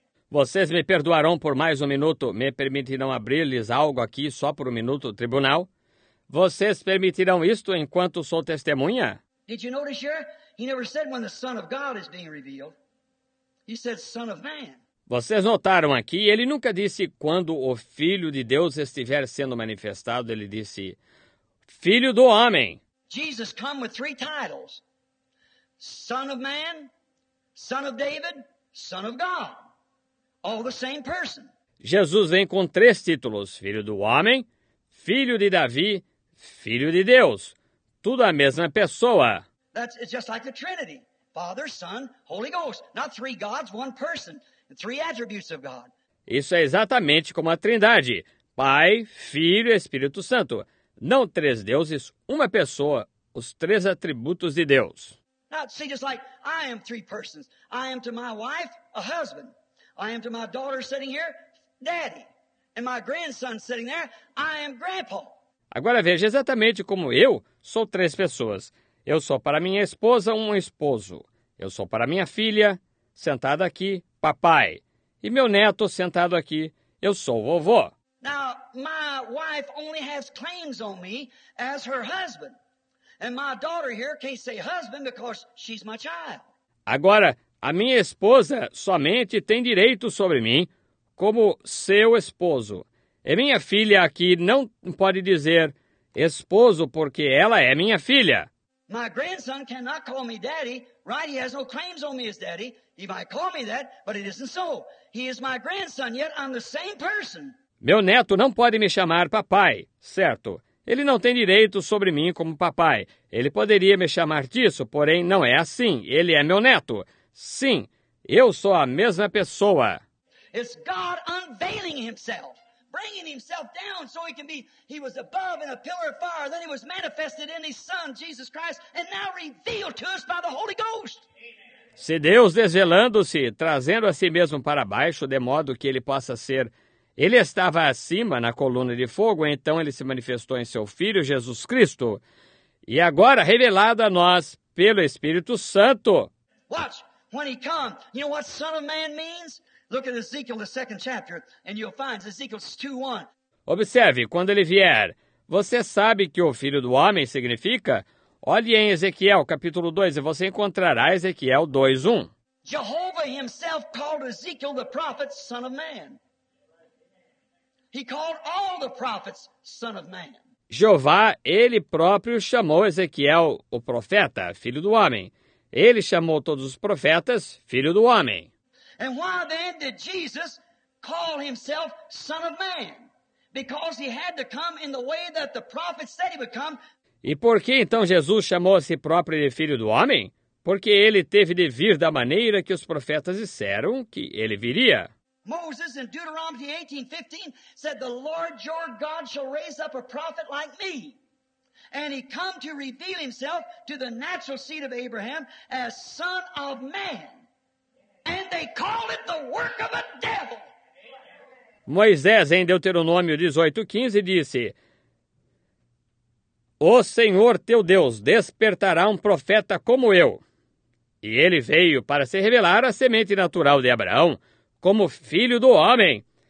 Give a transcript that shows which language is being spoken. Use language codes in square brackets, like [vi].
[pt] Vocês me perdoarão por mais um minuto? Me permitirão abrir-lhes algo aqui só por um minuto, tribunal? Vocês permitirão isto enquanto sou testemunha? [en] Did you notice here? He never said when the Son of God is being revealed. He said Son of Man. [pt] Vocês notaram aqui, ele nunca disse quando o Filho de Deus estiver sendo manifestado, ele disse Filho do Homem. [en] Jesus come with three titles. Son of Man, Son of David, Son of God. All the same person. [pt] Jesus vem com três títulos, Filho do Homem, Filho de Davi, Filho de Deus. Tudo a mesma pessoa. [en] It's just like the Trinity. Father, Son, Holy Ghost. Not three gods, one person. Three attributes of God. [pt] Isso é exatamente como a Trindade, Pai, Filho e Espírito Santo. Não três deuses, uma pessoa, os três atributos de Deus. [en] Now, see, just like I am three persons. I am to my wife, a husband. I am to my daughter sitting here, daddy. And my grandson sitting there, I am grandpa. [pt] Agora veja, exatamente como eu sou três pessoas. Eu sou para minha esposa, um esposo. Eu sou para minha filha, sentada aqui. Papai. E meu neto sentado aqui, eu sou vovó. [en] Now, my wife only has claims on me as her husband. And my daughter here can't say husband because she's my child. [pt] Agora, a minha esposa somente tem direito sobre mim como seu esposo. E minha filha aqui não pode dizer esposo porque ela é minha filha. [en] My grandson cannot call me daddy, right? He has no claims on me as daddy. He might call me that, but it isn't so. He is my grandson, yet I'm the same person. [pt] Meu neto não pode me chamar papai, certo? Ele não tem direito sobre mim como papai. Ele poderia me chamar disso, porém não é assim. Ele é meu neto. Sim, eu sou a mesma pessoa. [en] It's God unveiling himself, bringing himself down so he can be, he was above in a pillar of fire, then he was manifested in his son, Jesus Christ, and now revealed to us by the Holy Ghost. [pt] Se Deus desvelando-se, trazendo a si mesmo para baixo, de modo que ele possa ser, ele estava acima na coluna de fogo, então ele se manifestou em seu Filho, Jesus Cristo, e agora revelado a nós pelo Espírito Santo. [en] Watch, when he comes, you know what Son of Man means? Look at Ezekiel, the second chapter, and you'll find Ezekiel 2:1. [pt] Observe, quando ele vier, você sabe que o Filho do Homem significa? Olhe em Ezequiel, capítulo 2, e você encontrará Ezequiel 2:1. [en] Jehovah himself called Ezekiel the prophet, son of man. He called all the prophets, son of man. [pt] Jeová, ele próprio, chamou Ezequiel, o profeta, filho do homem. Ele chamou todos os profetas, filho do homem. [en] And why then did Jesus call himself son of man? Because he had to come in the way that the prophet said he would come. [pt] E por que então Jesus chamou a si próprio de Filho do Homem? Porque ele teve de vir da maneira que os profetas disseram que ele viria. [en] Moses in Deuteronomy 18:15 said, "The Lord your God shall raise up a prophet like me, and he come to reveal himself to the natural seed of Abraham as son of man." And they call it the work of a devil. [pt] Moisés em Deuteronômio 18:15 disse: "O Senhor teu Deus despertará um profeta como eu." E ele veio para se revelar à semente natural de Abraão, como filho do homem.